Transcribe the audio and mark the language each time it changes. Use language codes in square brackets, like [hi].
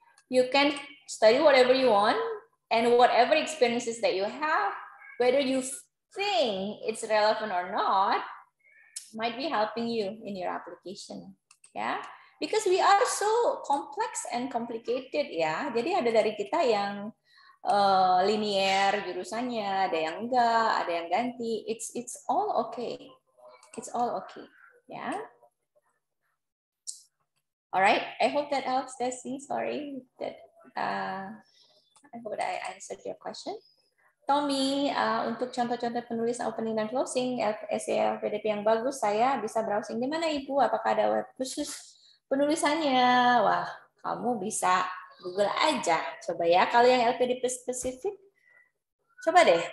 [en] You can study whatever you want and whatever experiences that you have, whether you think it's relevant or not. Might be helping you in your application, yeah? Because we are so complex and complicated, ya. [id] Jadi ada dari kita yang linear jurusannya, ada yang enggak, ada yang ganti. [en] It's all okay, it's all okay, ya. Yeah? All right. I hope that helps, Desi. Sorry that I hope that I answered your question. [id] Tommy, untuk contoh-contoh penulis opening dan closing essay LPDP yang bagus, saya bisa browsing di mana, Ibu? Apakah ada web khusus penulisannya? Wah, kamu bisa Google aja. Coba ya, kalau yang LPDP spesifik, coba deh.